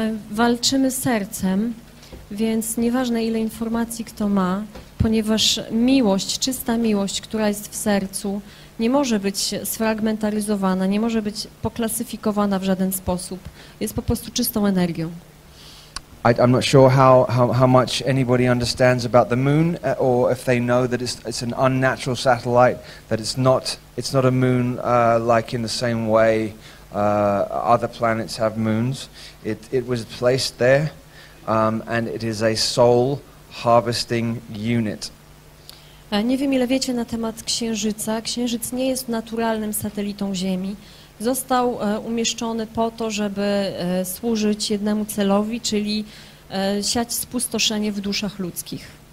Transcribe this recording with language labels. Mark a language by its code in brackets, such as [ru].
[pl] Walczymy sercem, więc nieważne ile informacji kto ma. Ponieważ miłość, czysta miłość, która jest w sercu, nie może być sfragmentaryzowana, nie może być poklasyfikowana w żaden sposób. Jest po prostu czystą energią. [en] I'm not sure how much anybody understands about the moon, or if they know that it's an unnatural satellite, that it's not a moon like in the same way other planets have moons. It was placed there and it is a soul harvesting unit. [pl] Nie wiem, ile wiecie na temat Księżyca. Księżyc nie jest naturalnym satelitą Ziemi. Został umieszczony po to, żeby służyć jednemu celowi, czyli siać spustoszenie w duszach ludzkich.